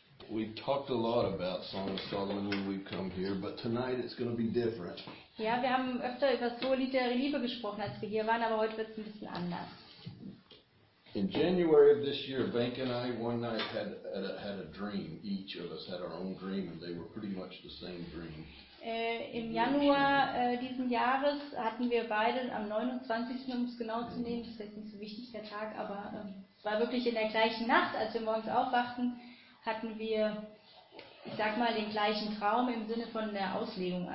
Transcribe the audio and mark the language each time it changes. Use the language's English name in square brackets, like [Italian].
[English] We've talked a lot about Song of Solomon when we've come here, but tonight it's going to be different. [German] Ja, wir haben öfter über das Hohe Lied der Liebe gesprochen, als wir hier waren, aber heute wird es ein bisschen anders. [English] In January of this year, Bank and I one night had a dream. Each of us had our own dream, and they were pretty much the same dream. [German] Im Januar diesen Jahres hatten wir beide am 29. um es genau zu nehmen, das ist jetzt nicht so wichtig der Tag, aber es war wirklich in der gleichen Nacht, als wir morgens aufwachten, hatten wir, ich sag mal, den gleichen Traum im Sinne von der Auslegung.